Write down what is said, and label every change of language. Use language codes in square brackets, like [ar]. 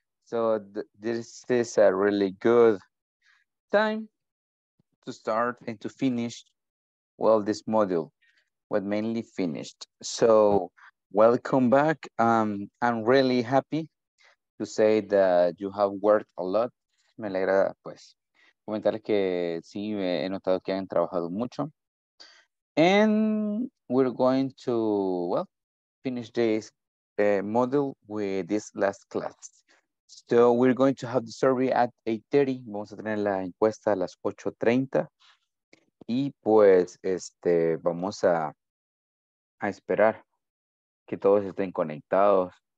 [en] So this is a really good time to start and to finish, well, this module, but mainly finished. So welcome back. I'm really happy to say that you have worked a lot. [es] Me alegra, pues, comentarles que sí, he notado que han trabajado mucho. [en] And we're going to, well, finish this module with this last class. So we're going to have the survey at 8:30. [es] Vamos a tener la encuesta a las 8:30. Y pues, vamos a esperar que todos estén conectados.